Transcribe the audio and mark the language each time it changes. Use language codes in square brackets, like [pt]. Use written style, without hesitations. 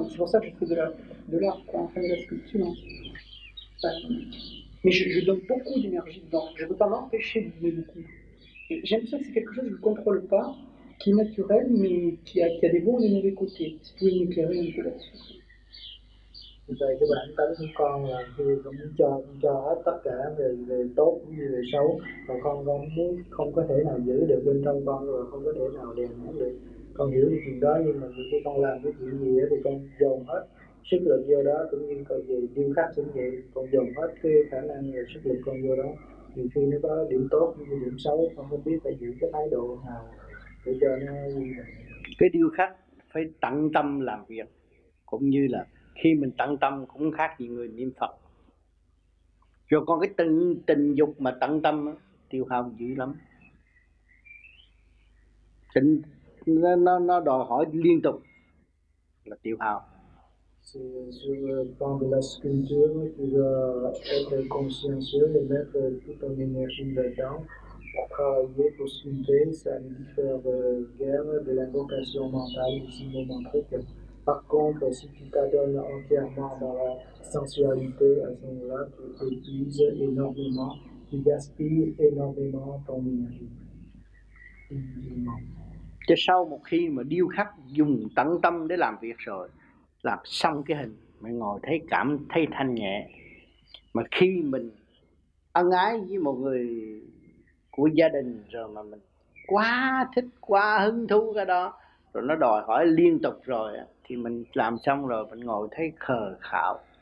[fr] Et c'est pour ça que je fais de l'art, quoi, enfin de la sculpture. Hein. Enfin, mais je donne beaucoup d'énergie dedans. Je ne veux pas m'empêcher de donner beaucoup. J'aime ça que c'est quelque chose que je ne contrôle pas, qui est naturel, mais qui a des bons et des mauvais côtés. Si vous pouvez m'éclairer un peu là-dessus. [vi] Vậy cái bản tính của con là khi cũng cho hết tất cả về tốt cũng như về xấu, và con muốn không có thể nào giữ được bên trong con, rồi không có thể nào đè nén được. Con hiểu được chuyện đó, nhưng mà khi con làm cái chuyện gì thì con dồn hết sức lực vô đó, cũng như coi gì điêu khắc cũng vậy, con dồn hết cái khả năng và sức lực con vô đó. Nhiều khi nó có điểm tốt cũng như điểm xấu, con không biết phải giữ cái thái độ nào để cho nó cái điêu khắc phải tận tâm làm việc, cũng như là khi mình tận tâm cũng khác gì người niệm Phật. Rồi còn cái tình dục mà tận tâm đó, tiêu hao dữ lắm. Tình nó đòi hỏi liên tục là tiêu hao. [fr] Sur le plan de la sculpture, tu dois être consciencieux et mettre toute ton énergie là-dedans. Pour travailler, pour sculpter, ça ne diffère guère de l'invocation mentale ici, mais dans le truc. Par contre, si tu t'adonnes entièrement dans la sensualité, à ce moment-là, tu épuises énormément, tu gaspilles énormément ton énergie. [vi] Cho sau một khi mà điêu khắc dùng tận tâm để làm việc rồi, làm xong cái hình, mình ngồi thấy cảm thấy thanh nhẹ. Mà khi mình ân ái với một người của gia đình rồi mà mình quá thích, quá hứng thú cái đó, rồi nó đòi hỏi liên tục rồi, thì mình làm xong rồi mình ngồi thấy khờ khạo.